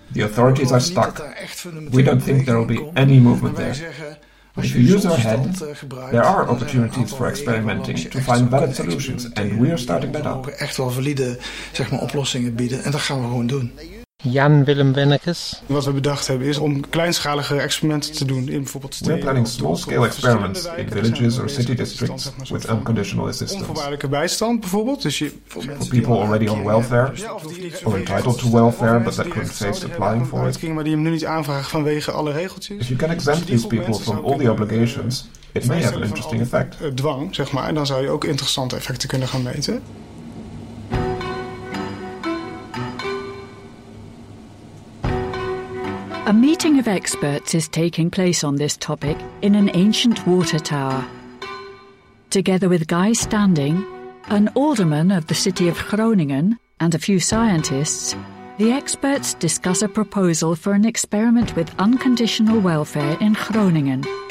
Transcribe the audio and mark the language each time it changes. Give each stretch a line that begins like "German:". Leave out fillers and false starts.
English: The authorities are stuck. We don't think there will be any movement there. But if you use our head, there are opportunities for experimenting to find valid solutions, and we are starting that up.
Dutch: Echt wel valide, zeg maar, oplossingen bieden, en dat gaan we gewoon doen. Jan Willem Wennekes. Wat we bedacht hebben is om kleinschalige experimenten te doen in bijvoorbeeld steden.
English: We're planning small-scale experiments in villages or city districts with unconditional assistance.
Dutch: Onvoorwaardelijke bijstand bijvoorbeeld. Dus
English: for people already on welfare or entitled to welfare but that couldn't face applying for it.
Dutch: Maar die hem nu niet aanvragen vanwege alle regeltjes.
English: If you can exempt these people from all the obligations, it may have an interesting effect.
Dutch: Dwang, zeg maar, en dan zou je ook interessante effecten kunnen gaan meten.
English: A meeting of experts is taking place on this topic in an ancient water tower. Together with Guy Standing, an alderman of the city of Groningen, and a few scientists, the experts discuss a proposal for an experiment with unconditional welfare in Groningen.